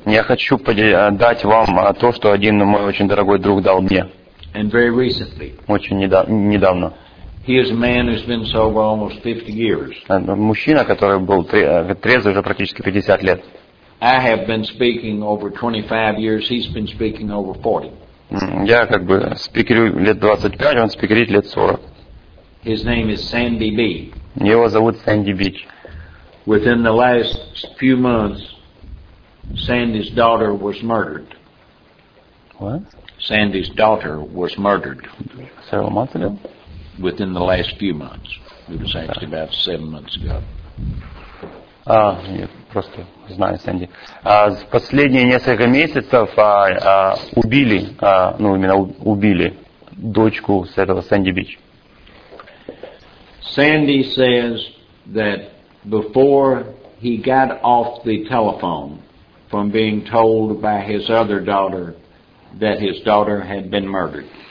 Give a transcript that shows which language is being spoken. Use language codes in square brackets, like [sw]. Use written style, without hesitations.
[ru] Я хочу дать вам то, что один мой очень дорогой друг дал мне. [en] And very recently. [ru] Очень недавно. [en] He is a man who's been sober almost 50 years. [ru] Мужчина, который был трезвый уже практически 50 лет. [en] I have been speaking over 25 years. He's been speaking over 40. [ru] Я как бы спикерю лет 25, он спикерит лет 40. [en] His name is Sandy B. [ru] Его зовут Sandy Beach. [en] Within the last few months, Sandy's daughter was murdered. What? Sandy's daughter was murdered. Several months ago. Within the last few months. It was actually about 7 months ago. [ru] Я просто знаю, Сэнди. Последние несколько месяцев убили, ну именно убили дочку с этого Sandy Beach. [en] Sandy says that before he got off the telephone from being told by his other daughter that his daughter had been murdered.